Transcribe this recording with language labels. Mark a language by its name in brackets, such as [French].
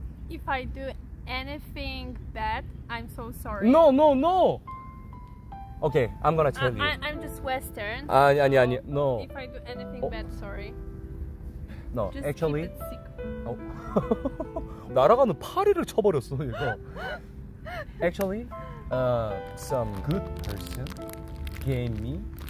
[English] If I do anything bad, I'm so sorry. No. Okay, I'm gonna tell you. I'm just Western. [Korean] 아니, 아니, 아니, [English] no. If I do anything bad, sorry. No, just actually. Keep it secret. Oh. [Korean] 날아가는 파리를 쳐버렸어, 이거. [English] Actually, some good person gave me.